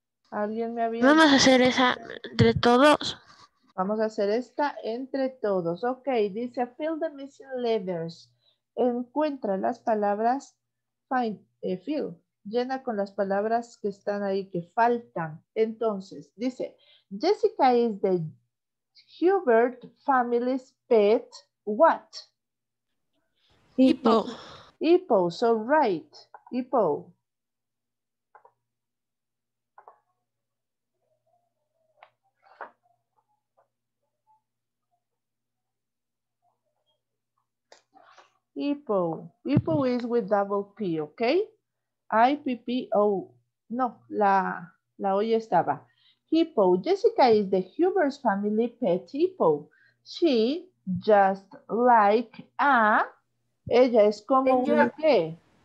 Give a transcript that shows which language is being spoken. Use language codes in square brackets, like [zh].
[es] ¿Alguien me había? Vamos a hacer esa entre todos. Vamos a hacer esta entre todos. Ok, dice, [en] fill the missing letters. [es] Encuentra las palabras, [en] find, fill. [es] Llena con las palabras que están ahí, que faltan. Entonces, dice, [en] Jessica is the Hubert family's pet, what? Hippo. Hippo, so right. Hippo. Hippo. Hippo is with double P, okay? I-P-P-O. [es] No, la O ya estaba. [en] Hippo. Jessica is the Huber's family pet hippo. She just like a, [es] ella es como un qué.